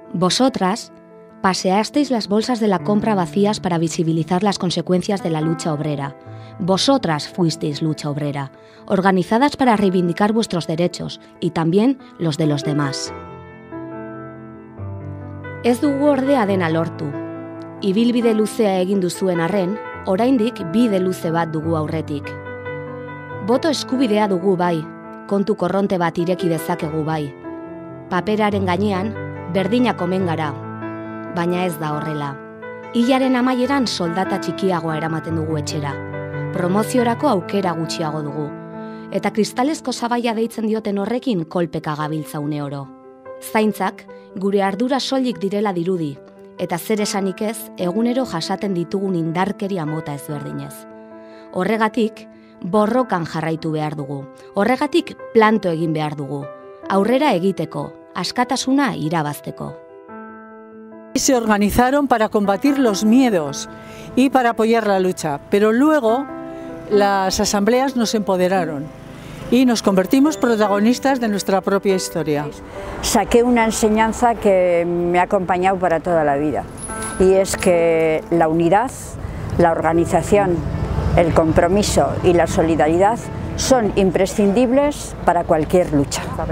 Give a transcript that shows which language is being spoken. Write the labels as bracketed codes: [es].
[es] Vosotras paseasteis las bolsas de la compra vacías para visibilizar las consecuencias de la lucha obrera. Vosotras fuisteis lucha obrera, organizadas para reivindicar vuestros derechos y también los de los demás. [eu] Ez dugu ordea dena lortu. Ibilbide luzea egin duzuen arren, oraindik bide luze bat dugu aurretik. Boto eskubidea dugu bai, kontu korronte bat ireki dezakegu bai. Paperaren gainean, berdinak omen gara. Baina ez da horrela. Ilaren amaieran soldata txikiagoa eramaten dugu etxera. Promoziorako aukera gutxiago dugu. Eta kristalezko sabaia deitzen dioten horrekin kolpeka gabiltza une oro. Zaintzak, gure ardura soilik direla dirudi, eta zer esanik ez, egunero jasaten ditugun indarkeria mota ezberdinez. Horregatik, borrokan jarraitu behar dugu. Horregatik, planto egin behar dugu. Aurrera egiteko, askatasuna irabazteko. [es] Se organizaron para combatir los miedos y para apoyar la lucha, pero luego las asambleas nos empoderaron y nos convertimos protagonistas de nuestra propia historia. Saqué una enseñanza que me ha acompañado para toda la vida y es que la unidad, la organización, el compromiso y la solidaridad son imprescindibles para cualquier lucha.